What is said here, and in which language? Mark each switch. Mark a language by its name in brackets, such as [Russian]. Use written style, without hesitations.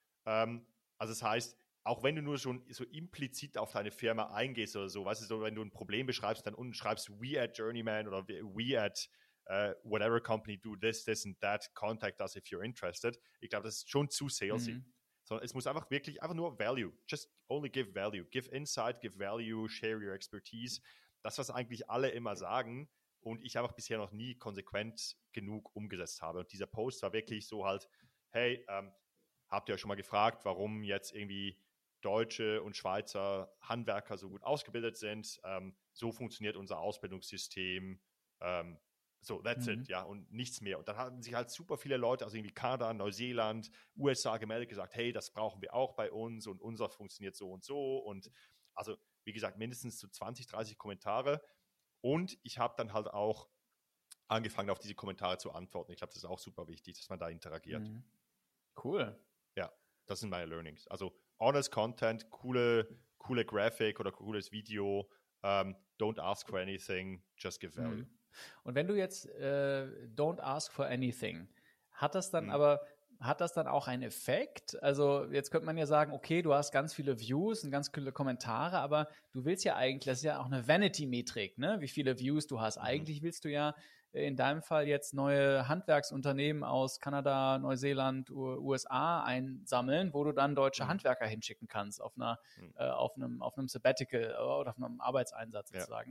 [German] Also das heißt, auch wenn du nur schon so implizit auf deine Firma eingehst oder so, weißt du, so, wenn du ein Problem beschreibst, dann unten schreibst [English] we at Journeyman oder we at whatever company do this and that, contact us if you're interested. [German] Ich glaube, das ist schon zu salesy. Sondern es muss einfach nur value. [English] Just only give value. Give insight, give value, share your expertise. [German] Das, was eigentlich alle immer sagen und ich einfach bisher noch nie konsequent genug umgesetzt habe. Und dieser Post war wirklich so halt, hey, habt ihr euch schon mal gefragt, warum jetzt irgendwie Deutsche und Schweizer Handwerker so gut ausgebildet sind? So funktioniert unser Ausbildungssystem. [English] So, that's it, [German] ja, und nichts mehr. Und dann haben sich halt super viele Leute aus irgendwie Kanada, Neuseeland, USA gemeldet, gesagt, hey, das brauchen wir auch bei uns und unser funktioniert so und so. Und also, wie gesagt, mindestens so 20, 30 Kommentare. Und ich habe dann halt auch angefangen, auf diese Kommentare zu antworten. Ich glaube, das ist auch super wichtig, dass man da interagiert. Cool. Ja, das sind meine Learnings. Also, honest Content, coole Graphic oder cooles Video. [English] Don't ask for anything, just give value. [German] Und wenn du jetzt [English] don't ask for anything, [German] hat das dann auch einen Effekt? Also jetzt könnte man ja sagen, okay, du hast ganz viele Views und ganz viele Kommentare, aber du willst ja eigentlich, das ist ja auch eine Vanity-Metrik, ne? Wie viele Views du hast. Eigentlich willst du ja in deinem Fall jetzt neue Handwerksunternehmen aus Kanada, Neuseeland, USA einsammeln, wo du dann deutsche Handwerker hinschicken kannst auf einem Sabbatical oder auf einem Arbeitseinsatz sozusagen.